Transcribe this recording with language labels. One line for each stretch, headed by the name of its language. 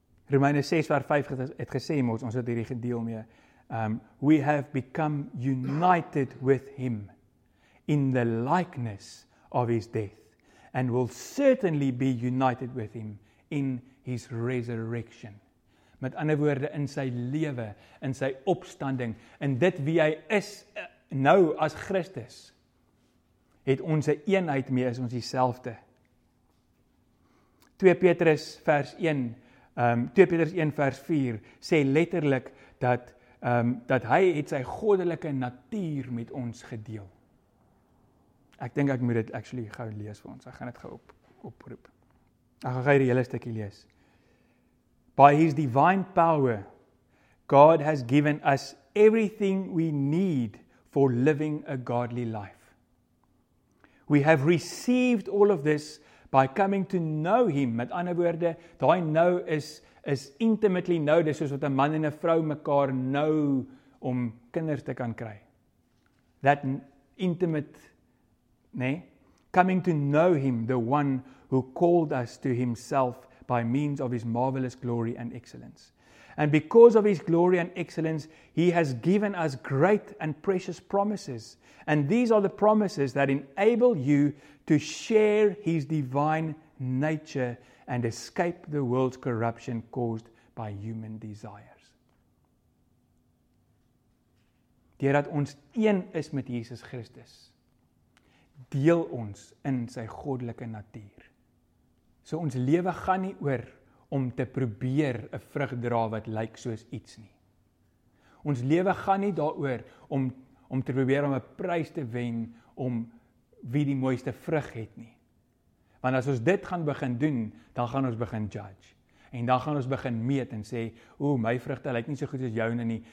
Afrikaans: Romeine 6 vers 5 het gesê, mos, ons het hierdie gedeel mee,
English: we have become united with him in the likeness of his death and will certainly be united with him in his resurrection.
Afrikaans: Met ander woorde, in sy lewe, in sy opstanding, in dit wie hy is nou as Christus, het ons 'n eenheid mee, is ons dieselfde. 2 Petrus vers 1, 2 Petrus 1 vers 4 sê letterlik dat dat hy het sy goddelike natuur met ons gedeel. Ek dink ek moet dit actually gou lees vir ons. Ek gaan dit gou oproep. Ek gaan hierdie hele stukkie lees.
English: By his divine power, God has given us everything we need for living a godly life. We have received all of this by coming to know him.
Afrikaans: Met ander woorde, daai nou is intimately nou, dis soos wat 'n man en 'n vrou mekaar nou om kinders te kan kry.
English: That intimate, nee? Coming to know him, the one who called us to himself by means of his marvelous glory and excellence. And because of his glory and excellence, he has given us great and precious promises. And these are the promises that enable you to share his divine nature and escape the world's corruption caused by human desires.
Afrikaans: Deurdat ons een is met Jesus Christus, deel ons in sy goddelike natuur. So ons lewe gaan nie oor om te probeer 'n vrug dra wat lyk soos iets nie. Ons lewe gaan nie daaroor om te probeer om 'n prys te wen om wie die mooiste vrug het nie. Want as ons dit gaan begin doen, dan gaan ons begin judge. En dan gaan ons begin meet en sê, "Ooh, my vrugte lyk nie so goed soos joune nie.